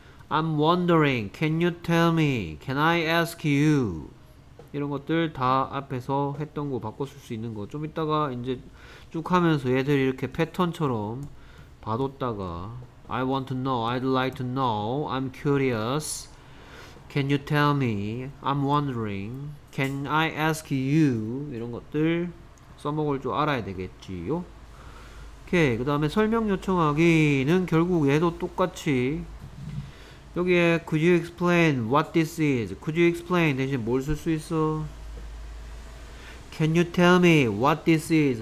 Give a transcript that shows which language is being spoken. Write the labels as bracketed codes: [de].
[en] I'm wondering, can you tell me? Can I ask you? [ko] 이런 것들 다 앞에서 했던 거 바꿨을 수 있는 거. 좀 이따가 이제 쭉 하면서 얘들이 이렇게 패턴처럼 봐뒀다가. [en] I want to know, I'd like to know, I'm curious. Can you tell me? I'm wondering. Can I ask you? [ko] 이런 것들 써먹을 줄 알아야 되겠지요. 오케이. 그 다음에 설명 요청하기는 결국 얘도 똑같이 여기에 [en] Could you explain what this is? Could you explain [ko] 대신 뭘쓸수 있어? [en] Can you tell me what this is?